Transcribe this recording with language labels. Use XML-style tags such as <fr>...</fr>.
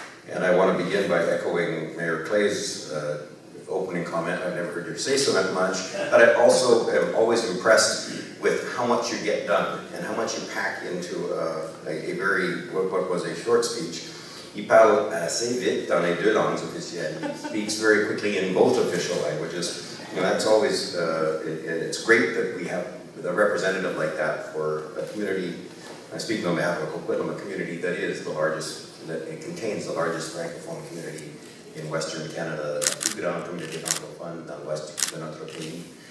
<en>And I want to begin by echoing Mayor Clay's opening comment. I've never heard you say so that much, but I also am always impressed with how much you get done and how much you pack into a short speech.</en> <fr>He parle assez vite dans les deux langues officielles.</fr> <en>He speaks very quickly in both official languages. And that's always, it's great that we have a representative like that for a community. I speak on behalf of Coquitlam, a community that is the largest, that it contains the largest Francophone community in Western Canada, the Coquitlam community</en> <fr>Francophone dans l'Ouest de notre pays.</fr>